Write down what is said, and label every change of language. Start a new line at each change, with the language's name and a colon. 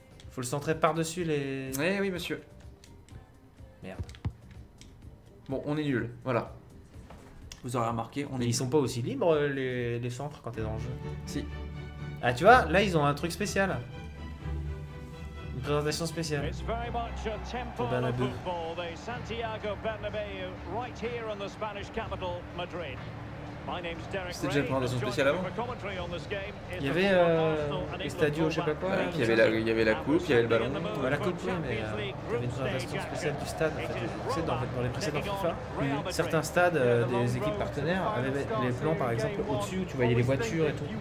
French: Faut le centrer par-dessus les. Eh oui, monsieur. Merde. Bon, on est nul. Voilà. Vous aurez remarqué, ils sont pas aussi libres les centres quand t'es dans le jeu. Si. Ah, tu vois, là ils ont un truc spécial. Une présentation spéciale.
English: It's very much a temple of football, the Santiago Bernabeu, right here on the Spanish capital, Madrid. My name's Derek.
French: C'était déjà une présentation spéciale avant. Il y avait les stadios, je sais pas quoi. Ouais, il y avait la coupe, il y avait le ballon. Ouais, la coupe, oui, mais il y avait une présentation spéciale du stade. En fait, dans les précédents FIFA, certains stades des équipes partenaires avaient les plans, par exemple, au-dessus où tu voyais les voitures et tout.